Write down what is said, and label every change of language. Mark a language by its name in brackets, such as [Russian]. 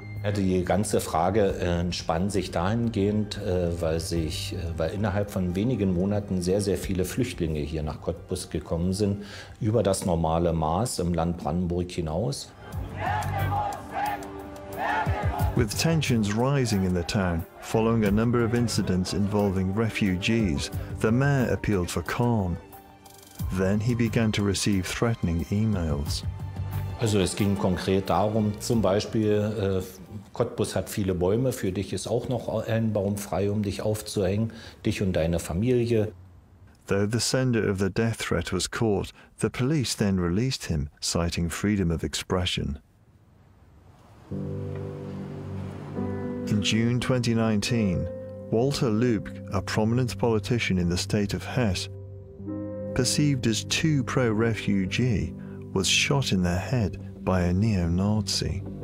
[German] Die ganze Frage entspannt sich dahingehend, weil innerhalb von wenigen Monaten sehr, sehr viele Flüchtlinge hier nach Cottbus gekommen sind, über das normale Maß im Land Brandenburg hinaus. [English] With tensions rising in the town following a number of incidents involving refugees, the mayor appealed for calm. Then he began to receive threatening emails. [German] Also es ging konkret darum, zum Beispiel, Cottbus hat viele Bäume, für dich ist auch noch ein Baum frei, um dich aufzuhängen, dich und deine Familie. [English] Though the sender of the death threat was caught, the police then released him, citing freedom of expression. In June 2019, Walter Lübke, a prominent politician in the state of Hesse, perceived as too pro-refugee, was shot in the head by a neo-Nazi.